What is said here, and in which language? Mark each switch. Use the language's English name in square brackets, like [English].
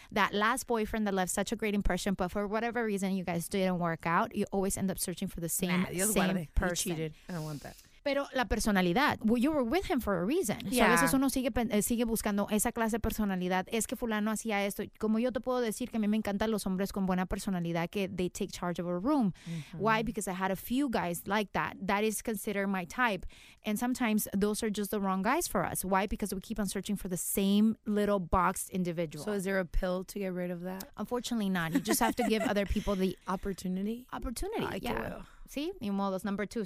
[English] That last boyfriend that left such a great impression, but for whatever reason you guys didn't work out, you always end up searching for the same person. He cheated. I don't want that. [Spanish] Pero la personalidad, [English] well, you were with him for a reason. Yeah. So [Spanish] a veces uno sigue buscando esa clase de personalidad. Es que fulano hacía esto. Como yo te puedo decir que a mí me encantan los hombres con buena personalidad, que [English] they take charge of a room. Mm-hmm. Why? Because I had a few guys like that. That is considered my type. And sometimes those are just the wrong guys for us. Why? Because we keep on searching for the same little boxed individual. So is there a pill to get rid of that? Unfortunately not. You just have to give other people the opportunity. Opportunity, I yeah. Do. See, you know, that's 2.